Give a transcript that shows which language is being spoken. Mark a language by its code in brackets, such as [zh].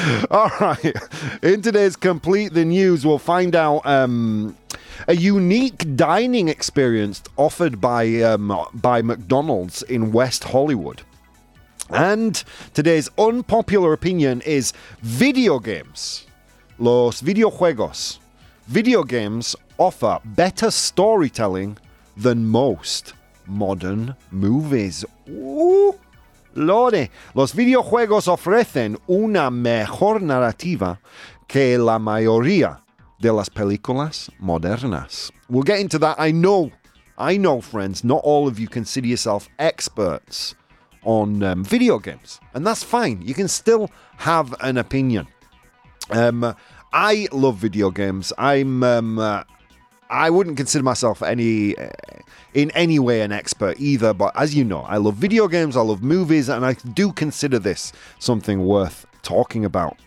[en] All right, in today's Complete the News, we'll find out a unique dining experience offered by McDonald's in West Hollywood. And today's unpopular opinion is video games. [es] Los videojuegos. [en] Video games offer better storytelling than most modern movies. Ooh. [es] Lore, los videojuegos ofrecen una mejor narrativa que la mayoría de las películas modernas. [en] We'll get into that. I know, friends, not all of you consider yourself experts on video games. And that's fine. You can still have an opinion. I love video games. I wouldn't consider myself in any way an expert either, but as you know, I love video games, I love movies, and I do consider this something worth talking about.